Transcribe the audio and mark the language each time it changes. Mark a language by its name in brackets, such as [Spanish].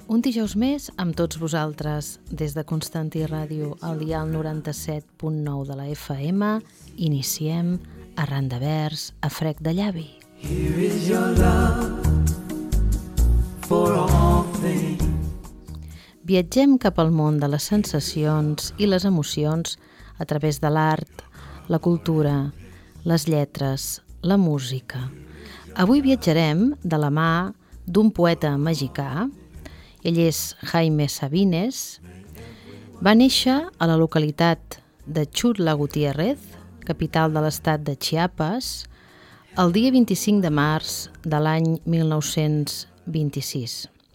[Catalan] Un dijous més amb tots vosaltres des de Constantí Ràdio, al dial 97.9 de la FM. Iniciem Arran de Vers, a frec de llavi. [English] Here is your love for all things. [Catalan] Viatgem cap al món de les sensacions i les emocions a través de l'art, la cultura, les lletres, la música. Avui viatjarem de la mà d'un poeta mexicà. Ell és Jaime Sabines. Va néixer a la localitat de Xutla Gutiérrez, capital de l'estat de Chiapas, el dia 25 de març de l'any 1926.